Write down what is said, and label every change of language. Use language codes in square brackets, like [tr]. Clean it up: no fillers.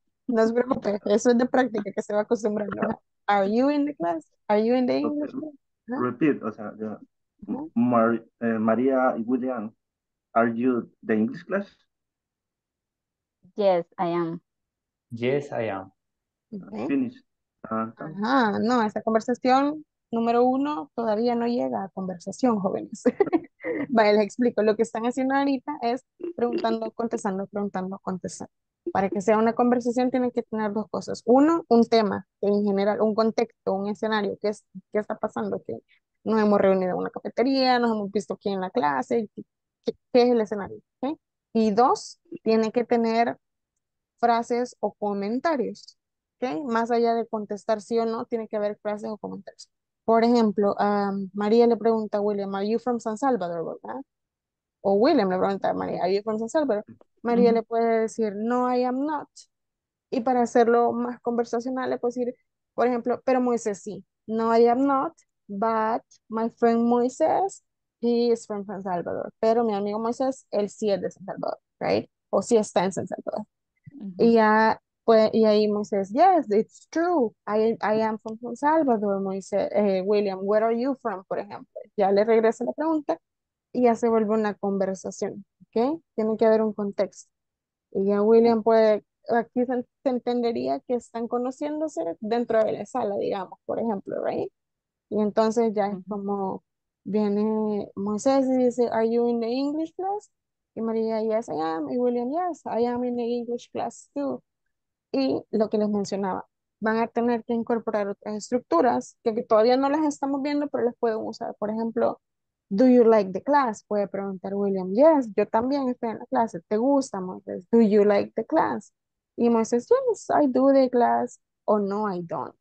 [es] No se preocupe, eso es de práctica que se va acostumbrando. [en] Are you in the class? Are you in the English class? Huh? Repeat, [es] o sea, [en] yeah. Maria and William, are you the English class? Yes, I am. Yes, I am. Okay. [es] Ajá, no, esa conversación número uno todavía no llega a conversación, jóvenes. Vale, les explico. Lo que están haciendo ahorita es preguntando, contestando. Para que sea una conversación tienen que tener dos cosas. Uno, un tema, en general, un contexto, un escenario. ¿Qué está pasando? Que nos hemos reunido en una cafetería, nos hemos visto aquí en la clase. ¿Qué es el escenario? ¿Okay? Y dos, tiene que tener frases o comentarios. Okay. Más allá de contestar sí o no, tiene que haber frases o comentarios. Por ejemplo, María le pregunta a William, [en] are you from San Salvador, [es] verdad? O William le pregunta a María, [en] are you from San Salvador? [es] María le puede decir, [en] no, I am not. [es] Y para hacerlo más conversacional, le puede decir, por ejemplo, pero Moisés sí. [en] No, I am not, but my friend Moisés, he is from San Salvador. [es] Pero mi amigo Moisés, él sí es de San Salvador, right? O sí está en San Salvador. Y ya... Pues, y ahí Moisés, [en] yes, it's true, I am from San Salvador, [es] Moisés, William, [en] where are you from, [es] por ejemplo. Ya le regresa la pregunta y ya se vuelve una conversación, ¿ok? Tiene que haber un contexto. Y ya William puede, aquí se entendería que están conociéndose dentro de la sala, digamos, por ejemplo, right? Y entonces ya es como, viene Moisés y dice, [en] are you in the English class? [es] Y María, [en] yes, I am. [es] Y William, [en] yes, I am in the English class too. [es] Y lo que les mencionaba, van a tener que incorporar otras estructuras que todavía no las estamos viendo, pero las pueden usar. Por ejemplo, [en] do you like the class? [es] Puede preguntar William, yes, yo también estoy en la clase. ¿Te gusta, Moses? [en] Do you like the class? Y Moses, yes, I do the class. O no, I don't.